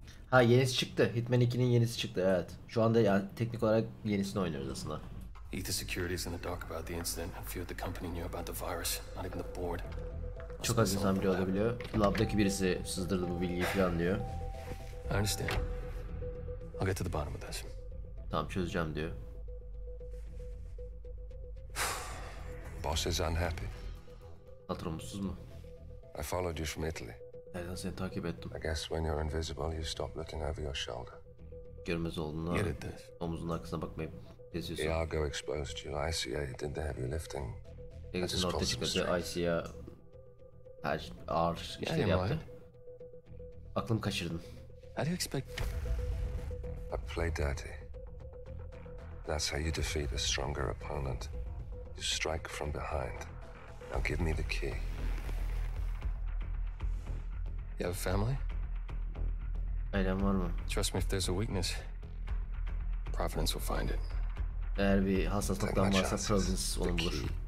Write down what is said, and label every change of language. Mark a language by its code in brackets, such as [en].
[tr] Ha yenisi çıktı. Hitman 2'nin yenisi çıktı evet. Şu anda yani teknik olarak yenisini oynuyoruz aslında. [en] Ether Security is in the dark about the incident and feared the company knew about the virus, not even the board. [tr] Çok az insan biliyor olabiliyor. Lab'daki birisi sızdırdı bu bilgiyi falan diyor. [en] I understand. I'll get to the bottom of this. [tr] Tamam çözeceğim diyor. [en] boss is unhappy. [tr] Patronsuz mu? [en] I followed you from Italy. [tr] Nereden seni takip ettim? [en] I guess when you're invisible, you stop looking over your shoulder. [tr] Görmez olduğuna, omuzun arkasına bakmayıp geziyorsun. [en] Iago exposed you. ICA did the heavy lifting. [tr] Iago'nun ortaya çıkardığı ICA her ağır işleri yaptı. Aklımı kaçırdın. [en] How do you expect? I play dirty. That's how you defeat a stronger opponent. You strike from behind. Now give me the key. You have a family? [tr] Ailem var mı? [en] Trust me, if there's a weakness, Providence will find it. [tr] Eğer bir hassaslıktan varsa Providence onu bulur.